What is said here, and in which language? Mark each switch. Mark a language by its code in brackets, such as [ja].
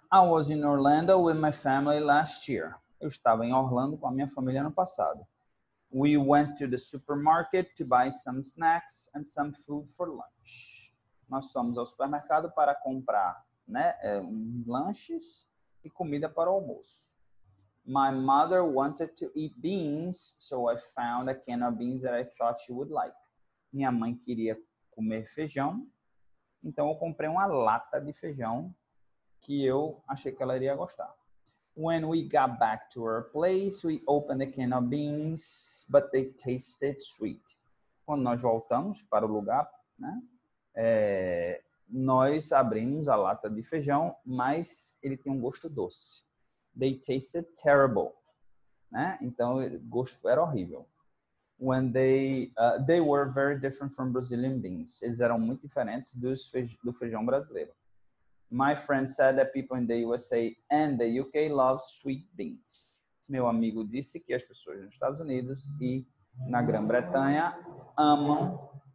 [en] I was in Orlando with my family last year. [pt] Eu estava em Orlando com a minha família ano passado. [en] We went to the supermarket to buy some snacks and some food for lunch. [pt] Nós fomos ao supermercado para comprar, né, lanches e comida para o almoço. [en] My mother wanted to eat beans, so I found a can of beans that I thought she would like. [pt] Minha mãe queria comer feijão, então eu comprei uma lata de feijão que eu achei que ela iria gostar. [en] When we got back to our place, we opened the can of beans, but they tasted sweet. [pt] Quando nós voltamos para o lugar, né, nós abrimos a lata de feijão, mas ele tem um gosto doce. [en] They tasted terrible, [pt] né? Então o gosto era horrível. [en] When they were very different from Brazilian beans. [pt] Eles eram muito diferentes do feijão brasileiro. [en] My friend said that people in the USA and the UK love sweet beans. [pt] Meu amigo disse que as pessoas nos Estados Unidos e na Grã-Bretanha amam